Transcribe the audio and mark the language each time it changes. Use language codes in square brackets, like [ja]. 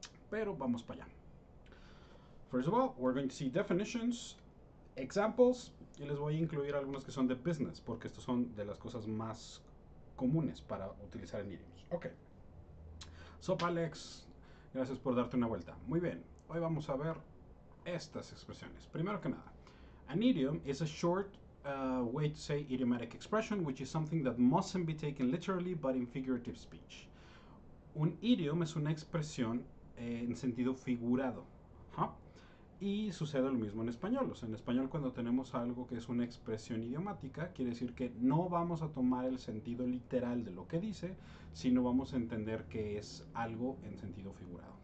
[es] Pero vamos para allá. [en] First of all, we're going to see definitions, examples, [es] y les voy a incluir algunos que son de business, porque estos son de las cosas más comunes para utilizar en idioms. Ok. Sop Alex, gracias por darte una vuelta. Muy bien, hoy vamos a ver estas expresiones. Primero que nada, [en] an idiom is a short way to say idiomatic expression, which is something that mustn't be taken literally, but in figurative speech. [es] Un idiom es una expresión en sentido figurado, ¿huh? Y sucede lo mismo en español. O sea, en español cuando tenemos algo que es una expresión idiomática, quiere decir que no vamos a tomar el sentido literal de lo que dice, sino vamos a entender que es algo en sentido figurado.